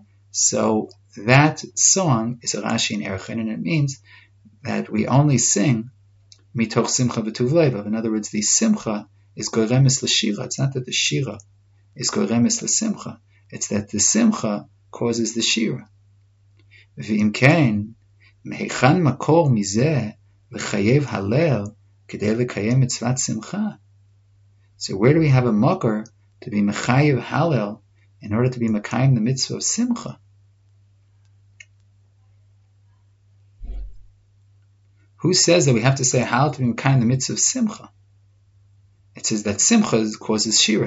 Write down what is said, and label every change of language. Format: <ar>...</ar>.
<en>So that song is a Rashi in Erchin, and it means that we only sing</en> <he>mitoch simcha vituv levav.</he> <en>In other words, the simcha is goremis l'shira. It's not that the shira is goremis l'simcha. It's that the simcha causes the shira.</en> <he>ואם כן, מהיכן מקור מזה לחייב הלל כדי לקיים מצוות שמחה?</he> <en>So where do we have a mocker to be</en> <he>מחייב הלל</he> <en>in order to be מקיים the mitzvah of simcha? Who says that we have to say hal to be מקיים the mitzvah of simcha? It says that simcha causes shira.</en>